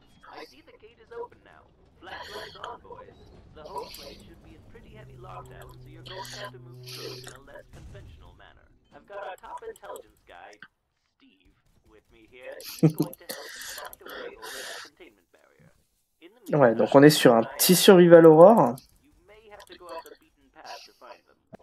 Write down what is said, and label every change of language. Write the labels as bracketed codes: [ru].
[en] I see the gate is open now. Flashlights on, boys. The whole place should be in pretty heavy lockdown, so you're going to have to move through in a less conventional manner. I've got our top intelligence guy, Steve, with me here. He's going to help you find a way over that containment barrier. In the meantime, [fr] Ouais, donc on est sur un petit survival horror. [en] you may have to go off the beaten path to find them.